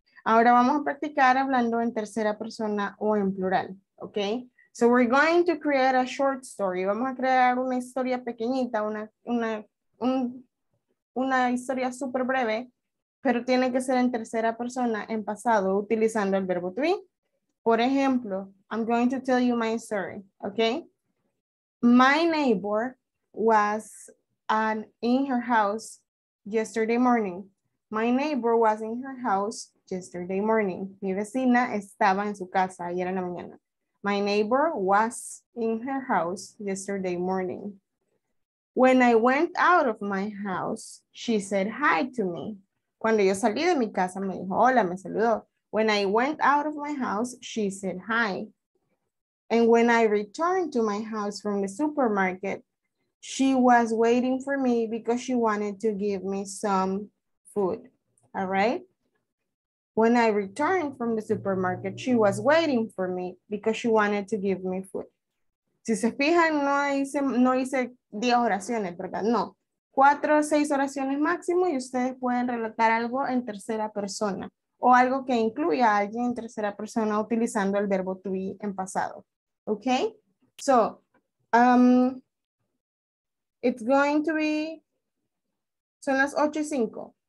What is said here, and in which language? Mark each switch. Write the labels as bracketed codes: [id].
[es] Ahora vamos a practicar hablando en tercera persona o en plural, okay? [en] So we're going to create a short story. [es] Vamos a crear una historia pequeñita, una historia super breve, pero tiene que ser en tercera persona en pasado utilizando el verbo to be. Por ejemplo, [en] I'm going to tell you my story, okay? My neighbor was in her house yesterday morning. My neighbor was in her house yesterday morning. [es] Mi vecina estaba en su casa ayer en la mañana. [en] My neighbor was in her house yesterday morning. When I went out of my house, she said hi to me. [es] Cuando yo salí de mi casa, me dijo, hola, me saludó. [en] When I went out of my house, she said hi. And when I returned to my house from the supermarket, she was waiting for me because she wanted to give me some food. All right? When I returned from the supermarket, she was waiting for me because she wanted to give me food. [es] Si se fijan, no hice 10 oraciones, ¿verdad? No. 4 o 6 oraciones máximo y ustedes pueden relatar algo en tercera persona. O algo que incluya a alguien en tercera persona utilizando el verbo to be en pasado. Okay? [en] So, it's going to be, [es] son las 8:05.